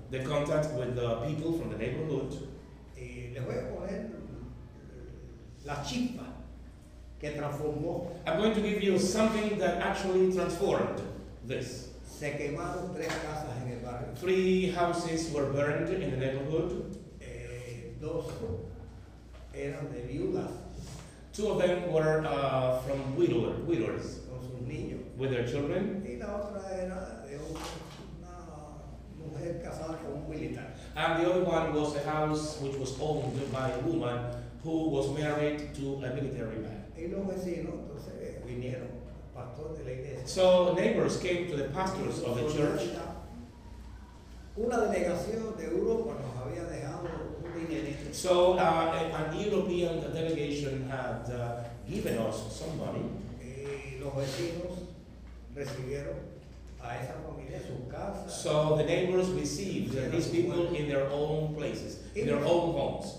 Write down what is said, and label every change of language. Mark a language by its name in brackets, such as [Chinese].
[English] The contact with the people from the neighborhood. [Spanish] Les voy a poner la chispa que transformó. [English] I'm going to give you something that actually transformed this. [Spanish] Se quemaron tres casas en el barrio. [English] Three houses were burned in the neighborhood. [Spanish] Dos eran de viudas. [English] Two of them were from widowers [Spanish] con sus niños. [English] With their children. [Spanish] Y la otra era de una mujer casada con un militar. [English] And the other one was a house which was owned by a woman who was married to a military man. [Spanish] Y los vecinos, entonces, vinieron, pastor de la iglesia. [English] So neighbors came to the pastors of the church. [Spanish] Una delegación de Europa nos había dejado. [English] So an European delegation had given us some money. [Spanish] Los vecinos recibieron a esa familia en su casa. [English] So the neighbors received these people in their own places, in their own homes.